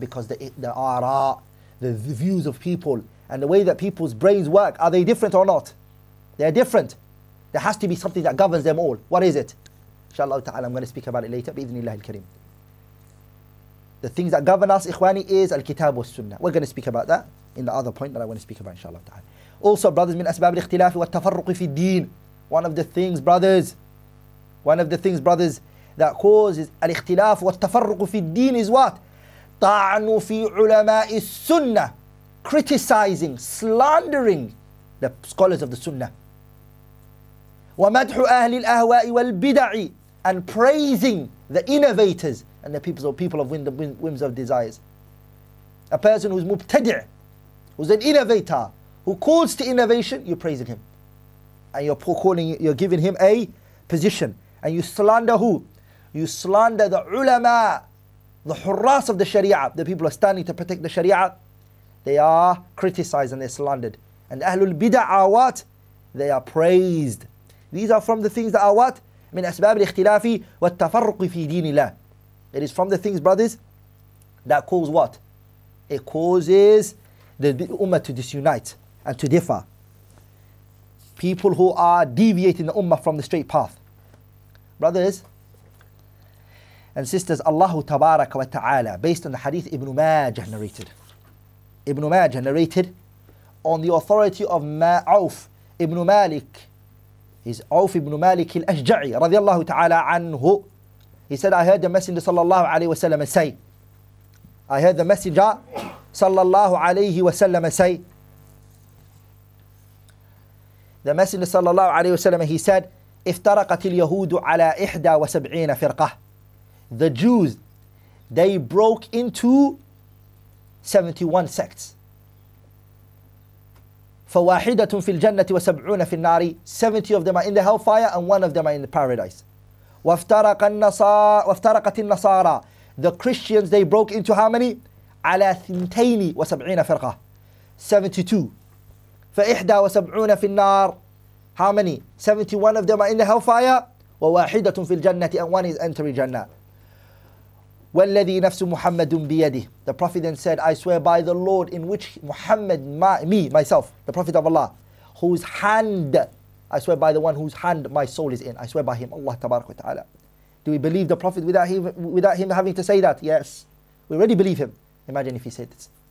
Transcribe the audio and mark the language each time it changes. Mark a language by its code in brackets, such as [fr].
[en] Because the ara, the views of people, and the way that people's brains work, are they different or not? They're different. There has to be something that governs them all. What is it? Inshallah ta'ala, I'm going to speak about it later. Bi-idhnillah al-kareem. The things that govern us, ikhwani, is al-kitab wa sunnah. We're going to speak about that in the other point that I want to speak about, inshallah ta'ala. Also, brothers, [ar] من أسباب الاختلاف والتفرق في الدين. [en] One of the things, brothers, that causes [ar] الاختلاف والتفرق في الدين [en] is what? [ar] طعن في علماء السنة. [en] Criticizing, slandering the scholars of the Sunnah. [ar] ومدح أهل الأهواء والبدع. [en] And praising the innovators and the people of whims of desires. A person who's مبتدع, who's an innovator, who calls to innovation, you're praising him. And you're giving him a position. And you slander who? You slander the ulama, the حراس of the Sharia, the people who are standing to protect the Sharia, they are criticized and they're slandered. And Ahlul Bida'a, what? They are praised. These are from the things that are what? [ar] من أسباب الاختلاف والتفرق في دين الله. [en] It is from the things, brothers, that cause what? It causes the ummah to disunite and to differ. People who are deviating the ummah from the straight path. Brothers and sisters, Allah Tabaraka wa Ta'ala, based on the hadith Ibn Majah narrated. Ibn Majah narrated on the authority of Ma'auf Ibn Malik. He's Auf Ibn Malik al-Ashja'i radiallahu ta'ala anhu. He said, I heard the Messenger sallallahu alayhi wa sallam say, I heard the Messenger sallallahu alayhi wa sallam say, the Messenger sallallahu alayhi wa sallam, he said, [ar] افترقت اليهود على 71 فرقة. [en] The Jews, they broke into 71 sects. [ar] فواحدة في الجنة وسبعون في النار. [en] 70 of them are in the hellfire and one of them are in the paradise. [ar] وافترقت النصارى. [en] The Christians, they broke into how many? [ar] على 72 فرقة. 72. فإحدى وسبعون في النار. [en] How many? 71 of them are in the hellfire. [ar] وواحدة في الجنة [en] and one is entering Jannah. [ar] والذي نفس محمد بيده. [en] The Prophet then said, I swear by the Lord in which Muhammad, myself, the Prophet of Allah, whose hand, I swear by the one whose hand my soul is in. I swear by him, Allah tabarak wa ta'ala. Do we believe the Prophet without him having to say that? Yes. We already believe him. Imagine if he said this.